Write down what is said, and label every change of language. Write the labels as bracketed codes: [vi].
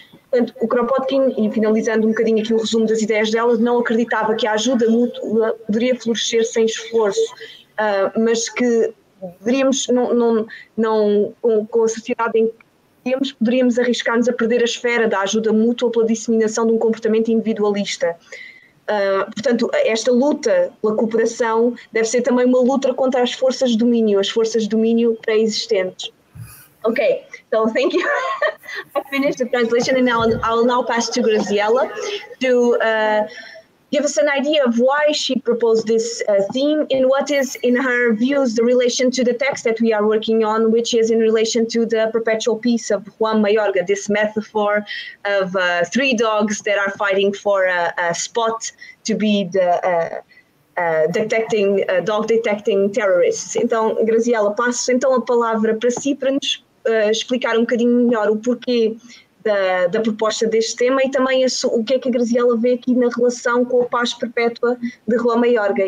[pt] Portanto, o Kropotkin, e finalizando um bocadinho aqui o resumo das ideias dela, não acreditava que a ajuda mútua poderia florescer sem esforço, mas que poderíamos, com a sociedade em que temos, poderíamos arriscar-nos a perder a esfera da ajuda mútua pela disseminação de um comportamento individualista. Portanto, esta luta pela cooperação deve ser também uma luta contra as forças de domínio pré-existentes. [en] Ok, so thank you. I finished the translation and I'll now pass to Graziella to give us an idea of why she proposed this theme and what is, in her views, the relation to the text that we are working on, which is in relation to the perpetual peace of Juan Mayorga, this metaphor of three dogs that are fighting for a spot to be the dog detecting terrorists. [pt] Então, Graziella, passo então a palavra para si para nos explicar um bocadinho melhor o porquê da proposta deste tema e também o que é que a Graziella vê aqui na relação com a paz perpétua de Juan Mayorga.